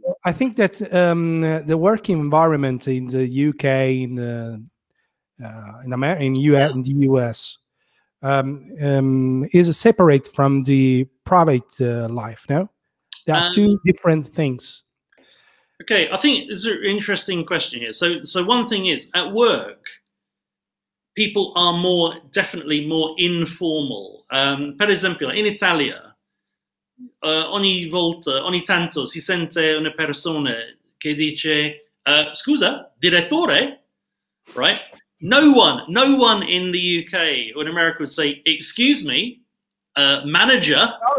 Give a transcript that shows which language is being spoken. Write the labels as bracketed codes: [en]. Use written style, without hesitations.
[en] But I think that the working environment in the UK, in the US, is separate from the private life. No, there are two different things. Okay, I think this is an interesting question here. So one thing is at work, people are more, definitely more informal. [it] Per esempio, in Italia, ogni volta, ogni tanto, si sente una persona che dice, scusa, direttore? [en] Right? No one in the UK or in America would say, excuse me, manager.